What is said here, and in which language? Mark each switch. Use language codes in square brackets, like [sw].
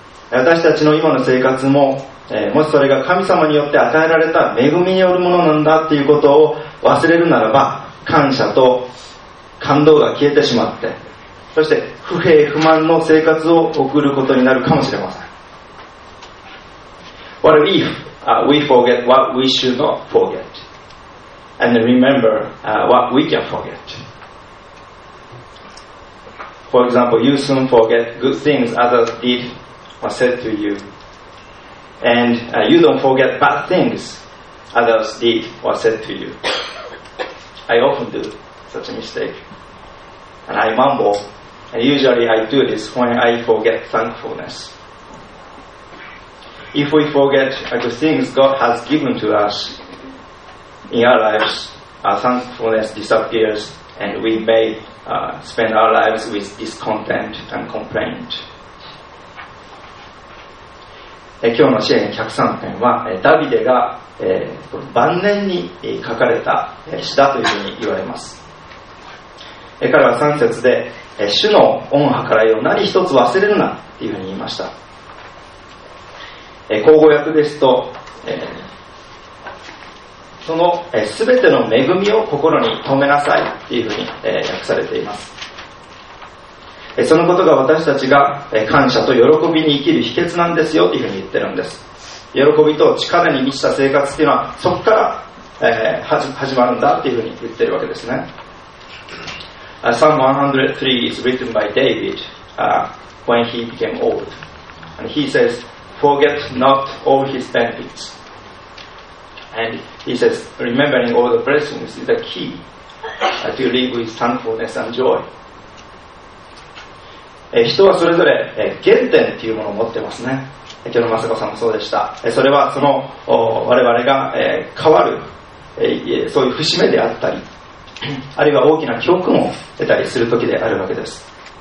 [ja] 私たちの今の生活も、もしそれが神様によって与えられた恵みによるものなんだということを忘れるならば、感謝と感動が消えてしまって、そして不平不満の生活を送ることになるかもしれません。 [en] What if we forget what we should not forget and remember what we can forget? For example, you soon forget good things others did or said to you, and you don't forget bad things others did or said to you. I often do such a mistake, and I mumble, and usually I do this when I forget thankfulness. If we forget the things God has given to us in our lives, our thankfulness disappears and we may spend our lives with discontent and complaint. [ja] 今日の詩篇103編はダビデが晩年に書かれた詩だというふうに言われます。彼は3節で主の御計らいを何一つ忘れるなというふうに言いました。口語訳ですと、その全ての恵みを心に留めなさいというふうに訳されています。そのことが私たちが感謝と喜びに生きる秘訣なんですよというふうに言ってるんです。喜びと力に満ちた生活というのはそこから始まるんだというふうに言ってるわけですね。 [en] Psalm 103 is written by David when he became old and he saysForget not all his benefits. And he says, remembering all the blessings is the key to live with thankfulness and joy. [ja] 人はそれぞれ原点というものを持ってますね。今日の雅子さんもそうでした。それはその我々が変わるそういう節目であったり、あるいは大きな教訓を得たりする時であるわけです。